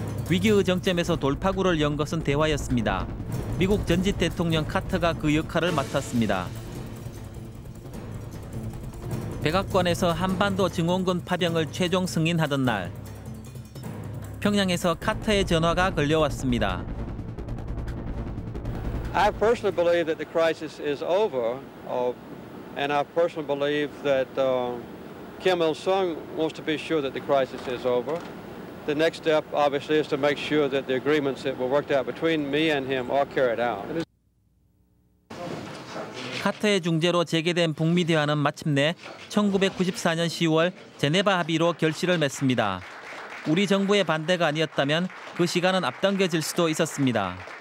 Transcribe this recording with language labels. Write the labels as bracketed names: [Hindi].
[Korean] 위기의 정점에서 돌파구를 연 것은 대화였습니다. 미국 전직 대통령 카터가 그 역할을 맡았습니다. 백악관에서 한반도 증원군 파병을 최종 승인하던 날, 평양에서 카터의 전화가 걸려왔습니다. [English] I personally believe that the crisis is over, and I personally believe that Kim Il-sung wants to be sure that the crisis is over. The next step, obviously, is to make sure that the agreements that were worked out between me and him are carried out. [Korean] 카터의 중재로 재개된 북미 대화는 마침내 1994년 10월 제네바 합의로 결실을 맺습니다. 우리 정부의 반대가 아니었다면 그 시간은 앞당겨질 수도 있었습니다.